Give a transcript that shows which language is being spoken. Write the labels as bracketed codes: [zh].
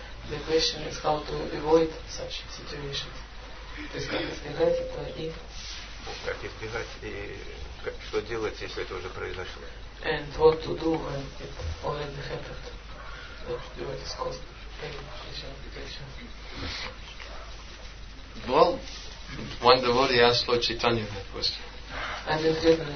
[en] The question is how to avoid such situations. [ru] То есть как избегать это и как избегать и что делать, если это уже произошло. [en] And what to do when it already happened. That devotees caused pain in such situations. Well, one devotee asked Lord Chaitanya that question.